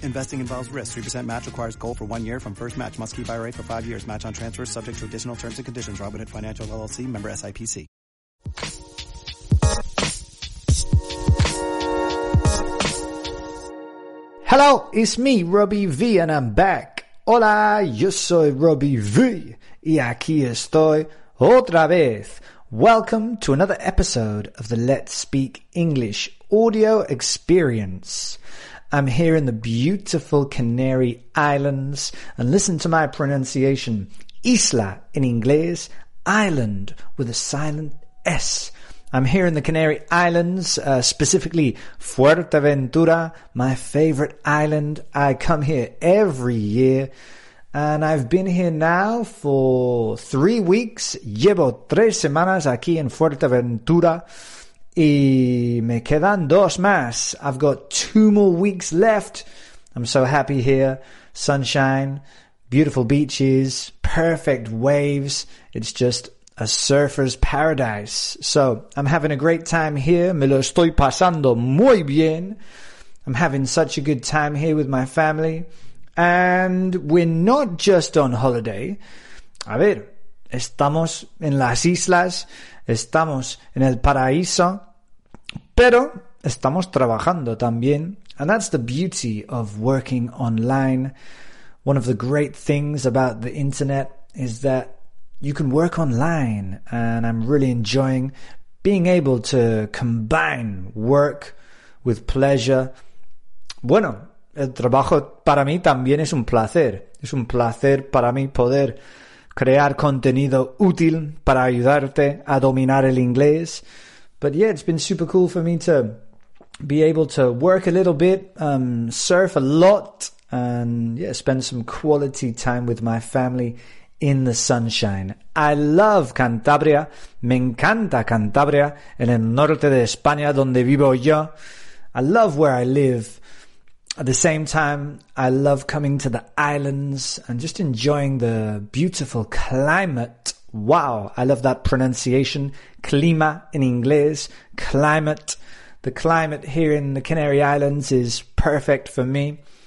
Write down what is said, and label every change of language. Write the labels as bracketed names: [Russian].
[English] Investing involves risk. 3% match requires gold for 1 year from first match. Must keep IRA for 5 years. Match on transfers subject to additional terms and conditions. Robinhood Financial LLC. Member SIPC. Hello, it's me, Robbie V, and I'm back. [Spanish] Hola, yo soy Robbie V, y aquí estoy otra vez. [English] Welcome to another episode of the Let's Speak English audio experience. I'm here in the beautiful Canary Islands, and listen to my pronunciation, isla in inglés, island with a silent S. I'm here in the Canary Islands, specifically Fuerteventura, my favorite island. I come here every year, and I've been here now for 3 weeks. [Spanish] Llevo tres semanas aquí en Fuerteventura, y me quedan dos más. [English] I've got 2 more weeks left. I'm so happy here. Sunshine, beautiful beaches, perfect waves. It's just a surfer's paradise. So I'm having a great time here. [Spanish] Me lo estoy pasando muy bien. [English] I'm having such a good time here with my family. And we're not just on holiday. [Spanish] A ver, estamos en las islas. Estamos en el paraíso. Pero estamos trabajando también. [English] And that's the beauty of working online. One of the great things about the internet is that you can work online, and I'm really enjoying being able to combine work with pleasure. [Spanish] Bueno, el trabajo para mí también es un placer. Es un placer para mí poder crear contenido útil para ayudarte a dominar el inglés. [English] But yeah, it's been super cool for me to be able to work a little bit, surf a lot, and yeah, spend some quality time with my family in the sunshine. I love Cantabria. [Spanish] Me encanta Cantabria, en el norte de España, donde vivo yo. [English] I love where I live. At the same time, I love coming to the islands and just enjoying the beautiful climate. Wow, I love that pronunciation. Clima in inglés, climate. The climate here in the Canary Islands is perfect for me.